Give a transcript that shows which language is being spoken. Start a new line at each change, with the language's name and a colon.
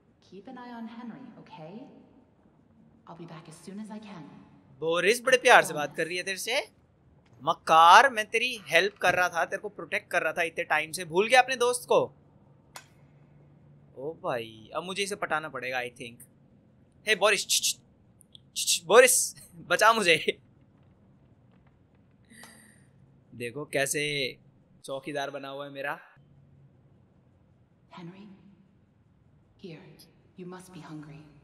English: Keep an eye on Henry, okay? I'll be back as soon as I can.
Hindi: Boris बड़े प्यार से बात कर रही है तेरे से। मकार, मैं तेरी हेल्प कर रहा था, तेरे को प्रोटेक्ट कर रहा था इतने टाइम से, भूल गया अपने दोस्त को? ओ भाई, अब मुझे इसे पटाना पड़ेगा
English: I think.
Hindi: Hey Boris, Boris बचा मुझे। देखो कैसे चौकीदार बना हुआ है मेरा।
English: Henry, here, you must be hungry.